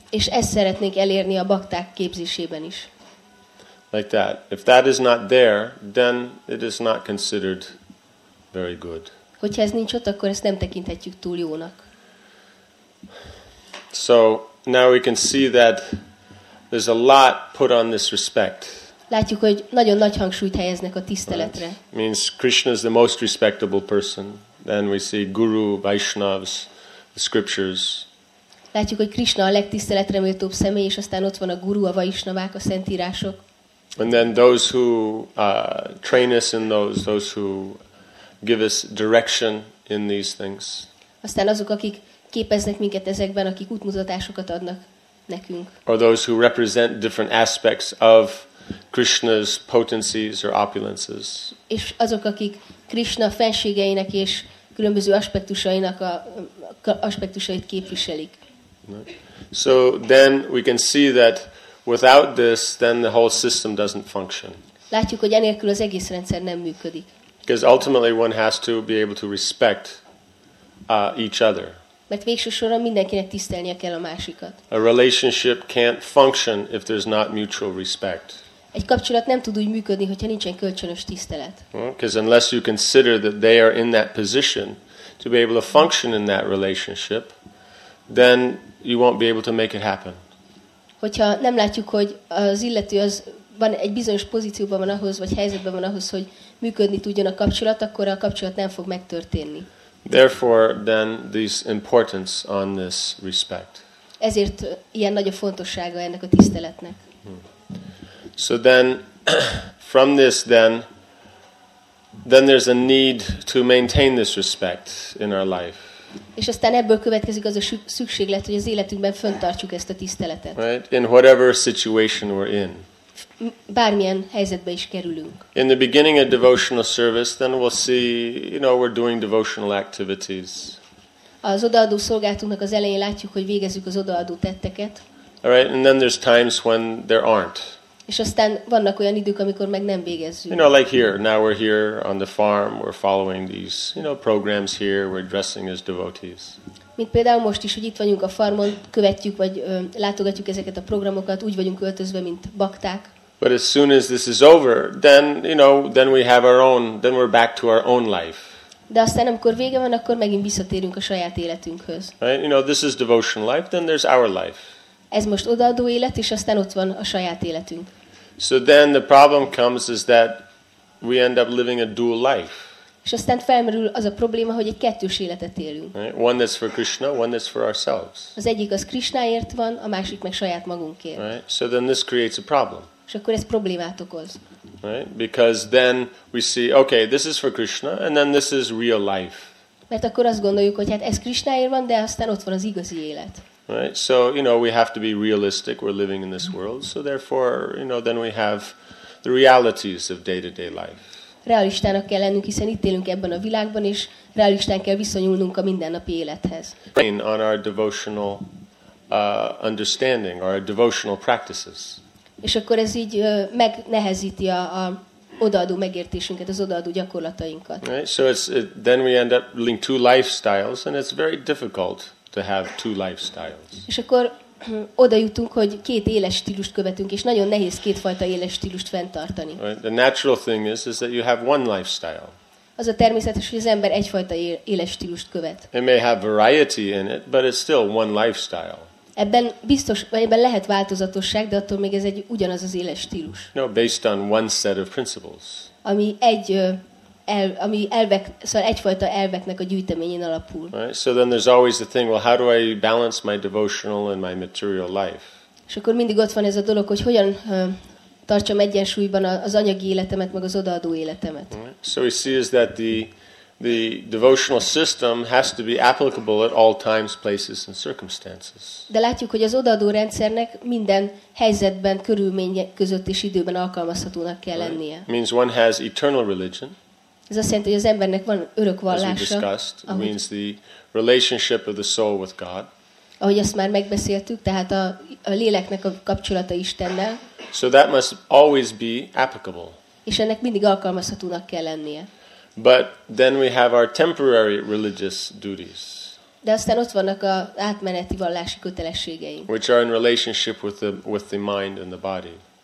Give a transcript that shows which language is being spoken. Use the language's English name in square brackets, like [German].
[Hungarian] És ezt szeretnék elérni a bakták képzésében is. [English] Like that. If that is not there, then it is not considered very good. [Hungarian] Hogyha ez nincs ott, akkor ezt nem tekinthetjük túl jónak. [English] So now we can see that there's a lot put on this respect. [Hungarian] Látjuk, hogy nagyon nagy hangsúlyt helyeznek a tiszteletre. [English] Right. Means Krishna is the most respectable person. Then we see Guru, Vaishnavas, the scriptures. [Hungarian] Látjuk, hogy Krishna a legtiszteletreméltóbb személy, és aztán ott van a Guru, a Vaishnavák, a szentírások. [English] And then those who train us in those who give us direction in these things. [Hungarian] Aztán azok, akik képeznek minket ezekben, akik útmutatásokat adnak nekünk. [English] Or those who represent different aspects of Krishna's potencies or opulences. [Hungarian] És azok, akik Krishna fenségeinek és különböző aspektusainak aspektusait képviselik. [English] So then we can see that without this, then the whole system doesn't function. [Hungarian] Látjuk, hogy enélkül az egész rendszer nem működik. [English] Because ultimately one has to be able to respect each other. [Hungarian] Mert végső soron mindenkinek tisztelnie kell a másikat. [English] A relationship can't function if there's not mutual respect. [Hungarian] Egy kapcsolat nem tud úgy működni, hogyha nincsen kölcsönös tisztelet. [English] Because unless you consider that they are in that position to be able to function in that relationship, then you won't be able to make it happen. [Hungarian] Hogyha nem látjuk, hogy az illető az van egy bizonyos pozícióban van ahhoz, vagy helyzetben van ahhoz, hogy működni tudjon a kapcsolat, akkor a kapcsolat nem fog megtörténni. [English] Therefore, then this importance on this respect. [Hungarian] Ezért ilyen nagy a fontossága ennek a tiszteletnek. [English] So then, from this, then there's a need to maintain this respect in our life. [Hungarian] És aztán ebből következik az a szükséglet, hogy az életünkben fönntartsuk ezt a tiszteletet. [English] Right? In whatever situation we're in. [Hungarian] Bármilyen helyzetbe is kerülünk. [English] In the beginning of devotional service, then we'll see, you know, we're doing devotional activities. [Hungarian] Az odaadó szolgálatunknak az elején látjuk, hogy végezzük az odaadó tetteket. [English] All right, and then there's times when there aren't. [Hungarian] És aztán vannak olyan idők, amikor meg nem végezzük. [English] You know, like here, now we're here on the farm, we're following these, you know, programs here, we're dressing as devotees. [Hungarian] Mint például most is, hogy itt vagyunk a farmon, követjük vagy látogatjuk ezeket a programokat, úgy vagyunk öltözve, mint bakták. [English] But as soon as this is over, then, you know, then we have our own, then we're back to our own life. [Hungarian] De aztán, amikor vége van, akkor megint visszatérünk a saját életünkhöz. [English] Right? You know, this is devotional life, then there's our life. [Hungarian] Ez most odaadó élet, és aztán ott van a saját életünk. [English] So then the problem comes is that we end up living a dual life. [Hungarian] És aztán felmerül az a probléma, hogy egy kettős életet élünk. [English] Right? One that's for Krishna, one that's for ourselves. [Hungarian] Az egyik az Krishnáért van, a másik meg saját magunkért. [English] Right? So then this creates a problem. [Hungarian] És akkor ez problémát okoz. [English] Right? Because then we see, okay, this is for Krishna, and then this is real life. [Hungarian] Mert akkor azt gondoljuk, hogy hát ez Krishnáért van, de aztán ott van az igazi élet. [English] Right, so you know we have to be realistic. We're living in this world, so therefore, you know, then we have the realities of day-to-day life. [Hungarian] Realistának kell lennünk, hiszen itt élünk ebben a világban, és realistán kell viszonyulnunk a mindennapi élethez. [English] Train on our devotional understanding, our devotional practices. [Hungarian] És akkor ez így megnehezíti a odaadó megértésünket, az odaadó gyakorlatainkat. [English] Right, so then we end up link two lifestyles, and it's very difficult to have two lifestyles. [Hungarian] És akkor oda jutunk, hogy két éles stílust követünk, és nagyon nehéz kétfajta éles stílust fenntartani. [English] The natural thing is that you have one lifestyle. [Hungarian] Az a természetes, hogy az ember egyfajta éles stílust követ. [English] It may have variety in it, but it's still one lifestyle. [Hungarian] Ebben biztos, vagy ebben lehet változatosság, de attól még ez egy ugyanaz az éles stílus. [English] No, based on one set of principles. [Hungarian] Ami egy ami elvek, szóval egyfajta elveknek a gyűjteményén alapul. [English] Right? So then there's always the thing, well, how do I balance my devotional and my material life? [Hungarian] És akkor mindig ott van ez a dolog, hogy hogyan tartsam egyensúlyban az anyagi életemet meg az odaadó életemet. [English] So we see is that the devotional system has to be applicable at all times, places and circumstances. [Hungarian] De látjuk, hogy az odaadó rendszernek minden helyzetben, körülmény között és időben alkalmazhatónak kell lennie. [English] Right. Means one has eternal religion. [Hungarian] Ez azt jelenti, hogy az embernek van örök vallása. [English] As we discussed, [Hungarian] ahogy, [English] means the relationship of the soul with God. [Hungarian] Ahogy azt már megbeszéltük, tehát a léleknek a kapcsolata Istennel. [English] So that must always be applicable. [Hungarian] És ennek mindig alkalmazhatónak kell lennie. [English] But then we have our temporary religious duties. [Hungarian] De aztán ott vannak a átmeneti vallási kötelességeink. [English] Which are in relationship with the mind and the body.